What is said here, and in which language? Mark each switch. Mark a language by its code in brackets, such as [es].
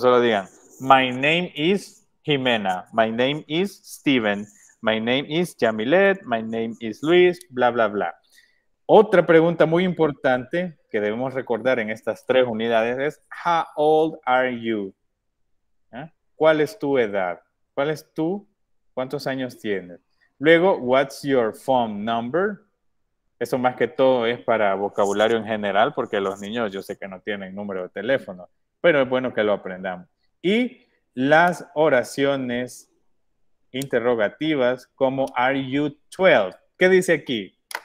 [es] Solo digan, [en] my name is Jimena. My name is Steven. My name is Yamilet. My name is Luis. Bla, bla, bla. [es] Otra pregunta muy importante que debemos recordar en estas tres unidades es [en] How old are you? [es] ¿Eh? ¿Cuál es tu edad? ¿Cuál es tu? ¿Cuántos años tienes? Luego, [en] what's your phone number? [es] Eso más que todo es para vocabulario en general, porque los niños yo sé que no tienen número de teléfono, pero es bueno que lo aprendamos. Y las oraciones interrogativas como [en] are you 12? [es] ¿Qué dice aquí?